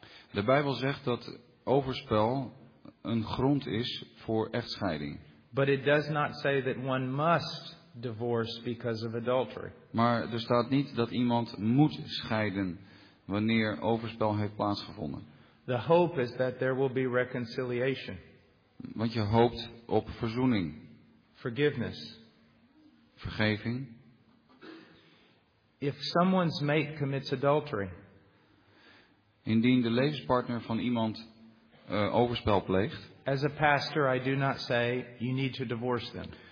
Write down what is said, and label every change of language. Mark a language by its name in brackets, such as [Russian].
[Dutch] De Bijbel zegt dat overspel een grond is voor echtscheiding. [English] But it does not say that one must divorce because of adultery. [Dutch] Maar er staat niet dat iemand moet scheiden wanneer overspel heeft plaatsgevonden. [English] The hope is that there will be reconciliation. [Dutch] Want je hoopt op verzoening. [English] Forgiveness. [Dutch] Vergeving. [English] If someone's mate commits adultery. [Dutch] Indien de levenspartner van iemand overspel pleegt. [English] As a pastor, I do not say you need to divorce them.